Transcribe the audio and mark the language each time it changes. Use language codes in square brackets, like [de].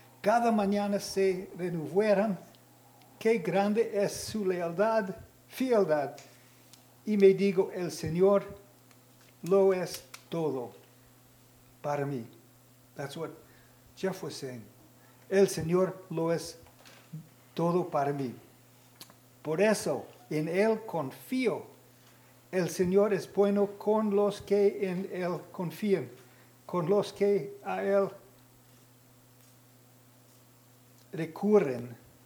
[es] Cada mañana se renuevan. Qué grande es su lealtad, fidelidad. Y me digo, el Señor lo es todo para mí. [en] That's what Jeff was saying. [es] El Señor lo es todo para mí. Por eso, en Él confío. El Señor es bueno con los que en Él confían, con los que a Él recurren.